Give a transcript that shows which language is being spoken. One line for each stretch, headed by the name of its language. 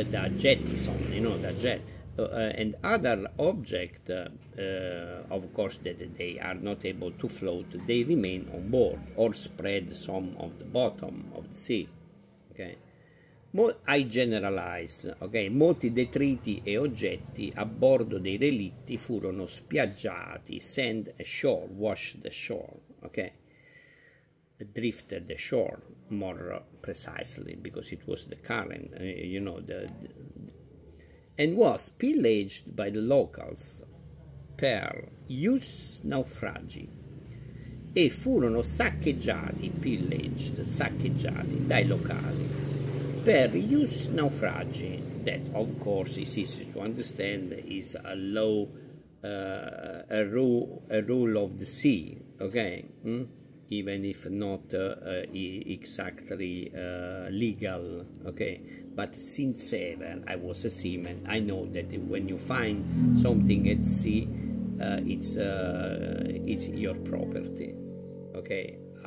English: da jettison, you know, the jet. And other object, of course, that they are not able to float, they remain on board or spread some of the bottom of the sea. Okay, I generalized.
Italian: Okay, molti detriti e oggetti a bordo dei relitti furono spiaggiati,
English: sent ashore, washed ashore. Okay, drifted ashore, more precisely, because it was the current. You know And was pillaged by the locals per ius naufragi.
Italian: E furono saccheggiati, pillaged, saccheggiati dai locali per ius naufragi.
English: That, of course, is easy to understand, is a law, a rule of the sea, okay? Even if not exactly legal, okay? But since ever I was a seaman, I know that when you find something at sea, it's your property, okay?